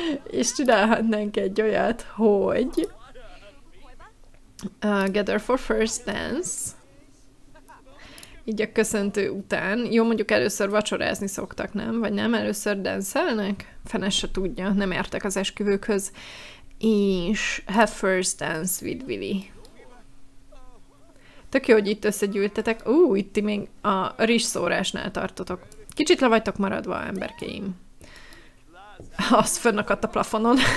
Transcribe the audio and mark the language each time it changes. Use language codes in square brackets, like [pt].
[hu] És csinálhatnánk egy olyat, hogy [en] gather for first dance. [hu] Így a köszöntő után. Jó, mondjuk először vacsorázni szoktak, nem? Vagy nem? Először dance-elnek? Fene se tudja, nem értek az esküvőkhöz. [en] És have first dance with Willy. [hu] Tök jó, hogy itt összegyűltetek. Itt még a rizsszórásnál tartotok. Kicsit le vagytok maradva, emberkéim. Az fönnakadt a plafonon.